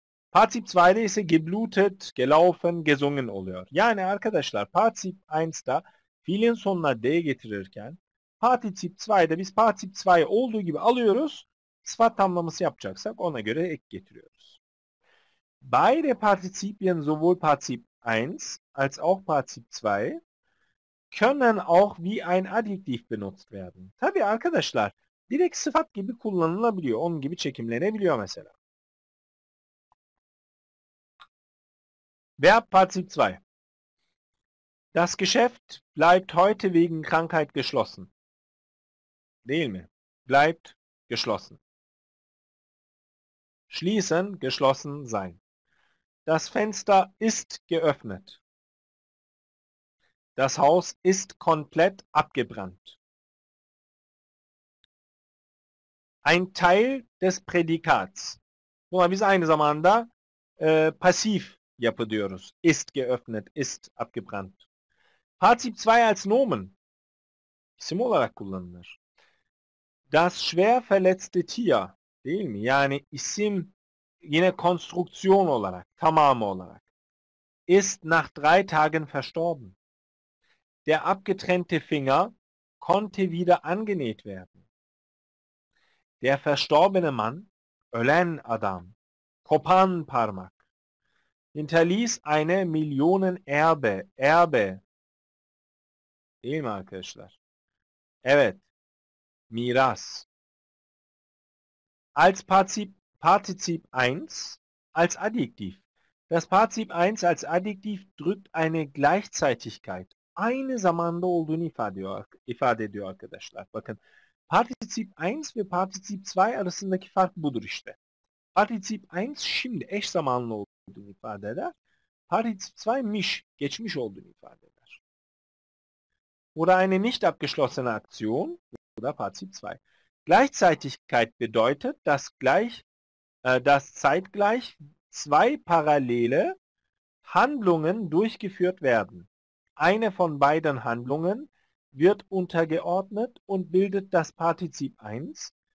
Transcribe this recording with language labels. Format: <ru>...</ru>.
<tr>Partizip 2'de ise geblutet, gelaufen, gesungen oluyor. Yani arkadaşlar partizip 1'de fiilin sonuna D getirirken partizip 2'de biz partizip 2'yi olduğu gibi alıyoruz. Sıfat tamlaması yapacaksak ona göre ek getiriyoruz.</tr> <de>Beide Partizipien sowohl Partizip 1 als auch Partizip 2 können auch wie ein Adjektiv benutzt werden.</de> <tr>Tabii arkadaşlar direkt sıfat gibi kullanılabiliyor. Onun gibi çekimlenebiliyor mesela.</tr> <de>Verb Partizip 2. Das Geschäft bleibt heute wegen Krankheit geschlossen.</de> <tr>Değil mi?</tr> <de>Bleibt geschlossen. Schließen, geschlossen sein. Das Fenster ist geöffnet. Das Haus ist komplett abgebrannt. Ein Teil des Prädikats.</de> <tr>Buna biz aynı zamanda passiv yapı diyoruz.</tr> <de>Ist geöffnet, ist abgebrannt. Partizip 2 als Nomen.</de> <tr>İsim olarak kullanılır.</tr> <de>Das schwer verletzte Tier.</de> <tr>Değil mi? Yani isim yine konstrüksiyon olarak, tamamı olarak.</tr> <de>Ist nach 3 Tagen verstorben. Der abgetrennte Finger konnte wieder angenäht werden. Der verstorbene Mann,</de> <tr>ölen adam, kopan parmak,</tr> <de>hinterließ eine Millionenerbe, erbe.</de> <tr>Değil mi arkadaşlar? Evet. Miras.</tr> <de>Als Partizip 1 als Adjektiv. Das Partizip 1 als Adjektiv drückt eine Gleichzeitigkeit.</de> <tr>Aynı zamanda olduğunu ifade ediyor arkadaşlar. Bakın. Partizip 1 ve Partizip 2 arasındaki fark budur işte. Partizip 1 şimdi eş zamanlı olduğunu ifade eder. Partizip 2'miş, geçmiş olduğunu ifade eder.</tr> <de>Oder eine nicht abgeschlossene Aktion oder Partizip 2. Gleichzeitigkeit bedeutet, dass zeitgleich zwei parallele Handlungen durchgeführt werden. Eine von beiden Handlungen wird untergeordnet und bildet das Partizip 1.</de>